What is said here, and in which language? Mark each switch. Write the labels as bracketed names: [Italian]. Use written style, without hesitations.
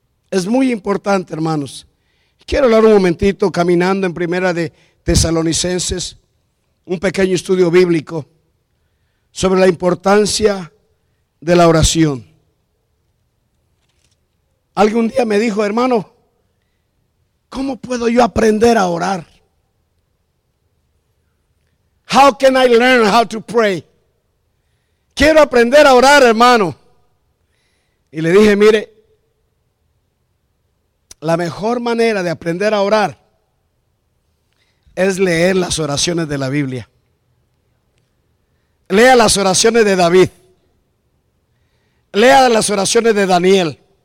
[Spanish] Es muy importante, hermanos. Quiero hablar un momentito caminando en primera de Tesalonicenses, un pequeño estudio bíblico sobre la importancia de la oración. Alguien un día me dijo: hermano, ¿cómo puedo yo aprender a orar? [English] How can I learn how to pray? [Spanish] Quiero aprender a orar, hermano. Y le dije: mire, la mejor manera de aprender a orar es leer las oraciones de la Biblia. Lea las oraciones de David. Lea las oraciones de Daniel.